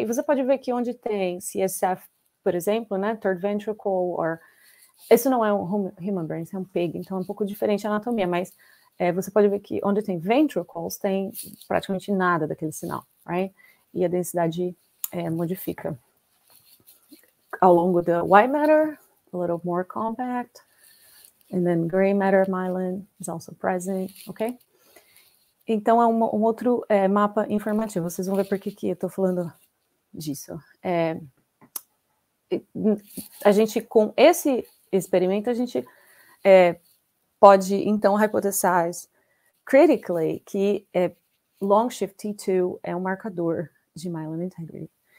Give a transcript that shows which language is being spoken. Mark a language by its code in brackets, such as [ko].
[pt] E você pode ver que onde tem CSF, por exemplo, né, third ventricle, or isso não é um human brain, isso é um pig, então é um pouco diferente a anatomia, mas você pode ver que onde tem ventricles tem praticamente nada daquele sinal, right? E a densidade modifica. Ao longo do [en] white matter, a little more compact, and then gray matter, myelin, is also present, ok? [pt] Então, é um outro mapa informativo. Vocês vão ver por que eu estou falando disso. A gente, com esse experimento, a gente pode, então, [en] hypothesize critically [pt] que long shift T2 é um marcador de myelin integrity.